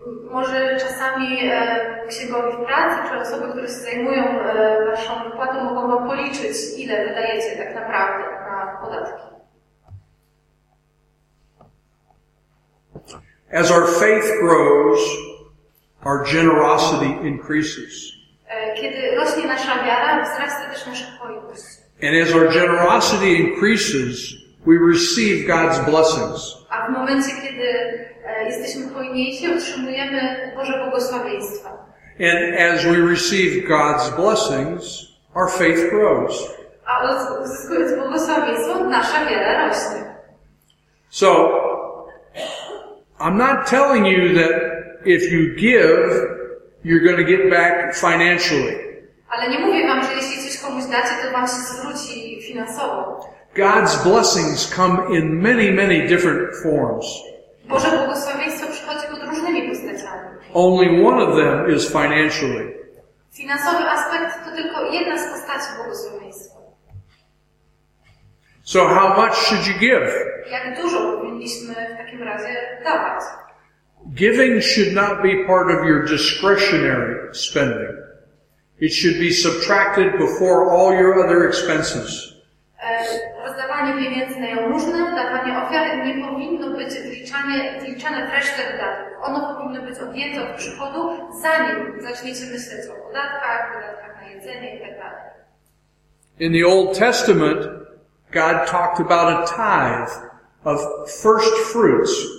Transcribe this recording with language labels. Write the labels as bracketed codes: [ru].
[pl] Może czasami księgowi pracy czy osoby, które się zajmują waszą wypłatą, mogą wam policzyć, ile wydajecie tak naprawdę na podatki. [en] As our faith grows, our generosity increases. [pl] Kiedy rośnie nasza wiara, wzrasta też nasza hojność. [en] And as our generosity increases, we receive God's blessings. [pl] A w momencie, kiedy jesteśmy hojniejsi, otrzymujemy Boże błogosławieństwa. [en] And as we receive God's blessings, our faith grows. [pl] A uzyskując błogosławieństwo, nasza wiara rośnie. [en] So, I'm not telling you that if you give, you're going to get back financially. [pl] Ale nie mówię wam, że jeśli coś komuś dacie, to wam się zwróci finansowo. [en] God's blessings come in many, many different forms. [pl] Boże błogosławieństwo przychodzi pod różnymi postaciami. [en] Only one of them is financially. [pl] Finansowy aspekt to tylko jedna z postaci błogosławieństwa. [en] So how much should you give? [pl] Jak dużo powinniśmy w takim razie dawać? [en] Giving should not be part of your discretionary spending. It should be subtracted before all your other expenses. [pl] rozdawanie pieniędzy na jałmużnę, dawanie ofiary nie powinno być wliczane w resztę wydatków. Ono powinno być objęte od przychodu, zanim zaczniecie myśleć o podatkach, wydatkach na jedzenie itd. [en] In the Old Testament, God talked about a tithe of first fruits.